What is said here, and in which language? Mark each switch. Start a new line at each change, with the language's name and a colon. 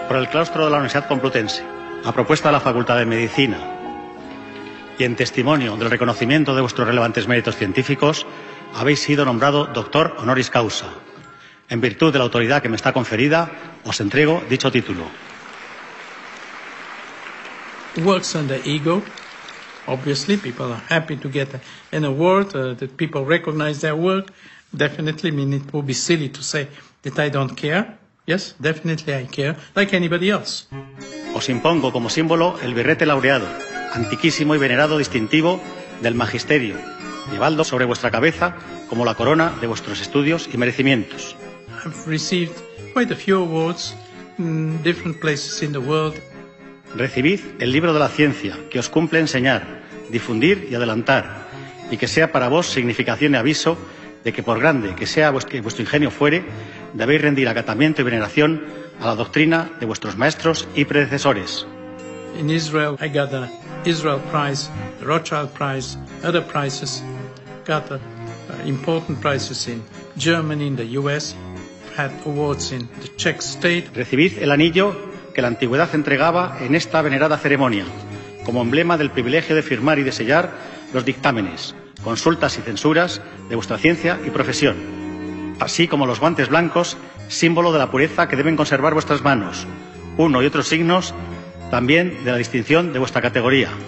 Spanish: Claustro de la Universidad Complutense, a propuesta de la Facultad de Medicina y en testimonio del reconocimiento de vuestros relevantes méritos científicos, habéis sido nombrado doctor honoris causa. En virtud de la autoridad que me está conferida, os entrego dicho título.
English: Works on the ego. Obviously, people are happy to get an award, that people recognize their work. Definitely, I mean, it would be silly to say that I don't care. Yes, definitely I care, like anybody else.
Spanish: Os impongo como símbolo el birrete laureado, antiquísimo y venerado distintivo del magisterio, llevadlo sobre vuestra cabeza como la corona de vuestros estudios y merecimientos.
English: I've received quite a few awards in different places in the world.
Spanish: Recibid el libro de la ciencia, que os cumple enseñar, difundir y adelantar, y que sea para vos significación y aviso de que por grande que sea vuestro ingenio fuere, debéis rendir acatamiento y veneración a la doctrina de vuestros maestros y predecesores.
English: In Israel, I got the Israel Prize, the Rothschild Prize, other prizes. Got the important prizes in Germany, in the US. Had awards in the Czech state.
Spanish: Recibid el anillo que la antigüedad entregaba en esta venerada ceremonia, como emblema del privilegio de firmar y de sellar los dictámenes, consultas y censuras de vuestra ciencia y profesión, así como los guantes blancos, símbolo de la pureza que deben conservar vuestras manos, uno y otros signos también de la distinción de vuestra categoría.